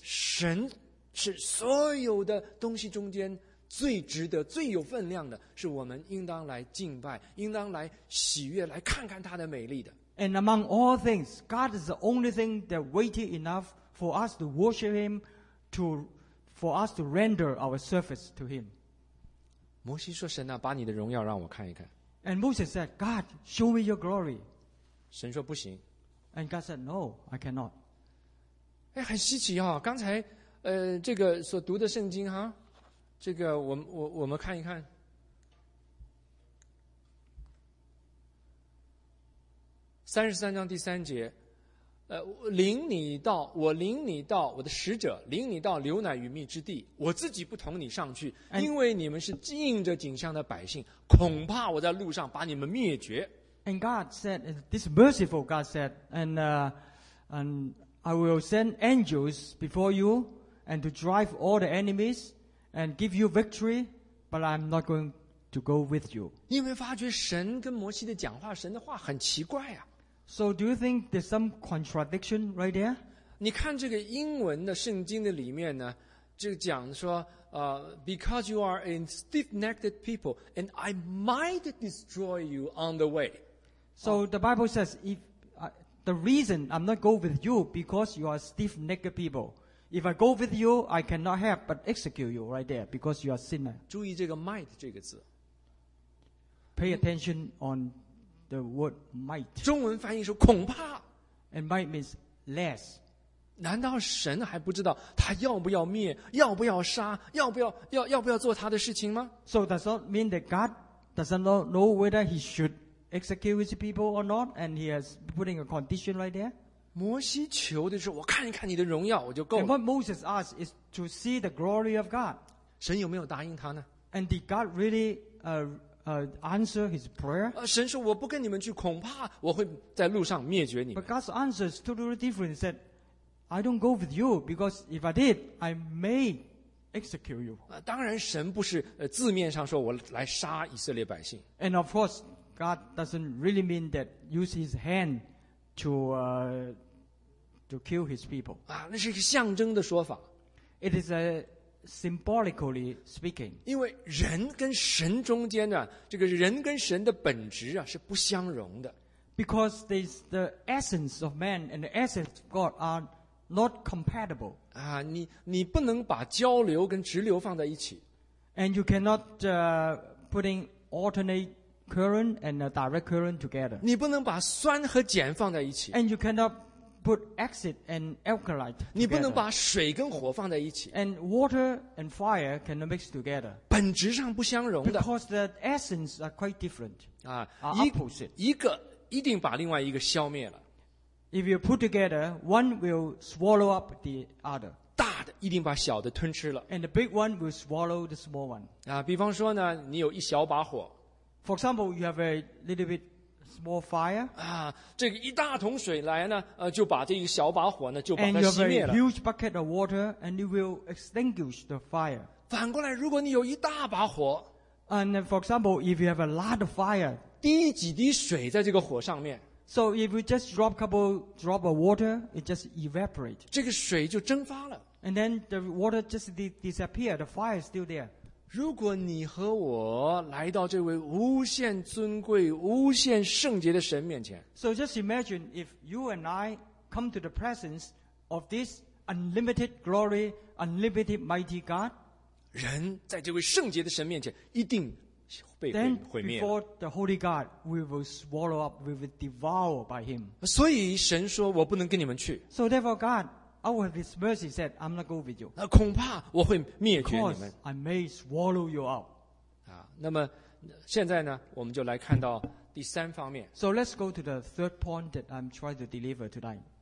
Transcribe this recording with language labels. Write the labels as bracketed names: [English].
[Chinese] 神是所有的东西中间最值得、最有分量的，是我们应当来敬拜、应当来喜悦、来看看他的美丽的。 [English] And among all things, God is the only thing that weighty enough for us to worship Him, to for us to render our service to him. [Chinese] 摩西说神啊把你的荣耀让我看一看。 [English] And Moses said, God, show me your glory. [Chinese] 神说不行。 [English] And God said, no, I cannot. [Chinese] 哎，很稀奇哦，刚才这个所读的圣经哈，这个我们看一看。 33章第3节，领你到，我领你到，我的使者领你到流奶与蜜之地，我自己不同你上去，因为你们是应着景象的百姓，恐怕我在路上把你们灭绝。 [English] And God said, this merciful God said, and I will send angels before you and to drive all the enemies and give you victory, but I'm not going to go with you. [Chinese] 你有没有发觉神跟摩西的讲话，神的话很奇怪啊。 [English] So do you think there's some contradiction right there? [Chinese] 你看这个英文的圣经的里面呢，就讲说 [English] because you are a stiff-necked people, and I might destroy you on the way. So the Bible says, the reason I'm not going with you because you are stiff-necked people. If I go with you, I cannot help but execute you right there because you are sinner. [Chinese] 注意这个 might 这个字。 [English] Pay attention on the word might. [Chinese] 中文翻译说恐怕。 [English] And might means less. [Chinese] 难道神还不知道他要不要灭，要不要杀，要不要做他的事情吗？ [English] So does not mean that God doesn't know whether he should execute his people or not, and he has putting a condition right there. [Chinese] 摩西求的是我看一看你的荣耀我就够了。 [English] And what Moses asked is to see the glory of God. [Chinese] 神有没有答应他呢？ [English] And did God really answer his prayer? [Chinese] 神说我不跟你们去，恐怕我会在路上灭绝你们。 [English] But God's answer is totally different. He said, I don't go with you because if I did, I may execute you. [Chinese] 当然神不是字面上说我来杀以色列百姓。 [English] And of course, God doesn't really mean that use his hand to kill his people. [Chinese] 那是一个象征的说法。 [English] It is a symbolically speaking, [Chinese] 因为人跟神中间的这个人跟神的本质啊是不相容的。 [English] Because the essence of man and the essence of God are not compatible. [Chinese] 你不能把交流跟直流放在一起。 [English] And you cannot put in alternate current and a direct current together. [Chinese] 你不能把酸和碱放在一起。 [English] And you cannot put acid and alkali together. [Chinese] 你不能把水跟火放在一起。 [English] And water and fire cannot mix together. [Chinese] 本质上不相容的。 [English] Because the essence are quite different. Are opposite. [Chinese] 一个一定把另外一个消灭了。 [English] If you put together, one will swallow up the other. [Chinese] 大的一定把小的吞吃了。 [English] And the big one will swallow the small one. [Chinese] 比方说呢，你有一小把火。 [English] For example, you have a little bit small fire. [Chinese] 这个一大桶水来呢，就把这一小把火呢，就把它熄灭了。 [English] And you have a huge bucket of water, and you will extinguish the fire. [Chinese] 反过来，如果你有一大把火 [English] ，and for example, if you have a lot of fire, [Chinese] 滴几滴水在这个火上面。 [English] So if you just drop a couple drop of water, it just evaporate. [Chinese] 这个水就蒸发了。 [English] And then the water just disappear. The fire is still there. [Chinese] 如果你和我来到这位无限尊贵、无限圣洁的神面前 [English] ，So just imagine if you and I come to the presence of this unlimited glory, unlimited mighty God， [Chinese] 人在这位圣洁的神面前一定被毁灭。 [English] Then before the holy God, we will swallow up, we will devour by him。 [Chinese] 所以神说我不能跟你们去。 [English] So therefore, God。 I will have his mercy said, I'm not going with you. [Chinese] 恐怕我会灭绝你们。 [English] Because I may swallow you up. [Chinese] 那么现在呢，我们就来看到第三方面。 [English] So let's go to the third point that I'm trying to deliver tonight.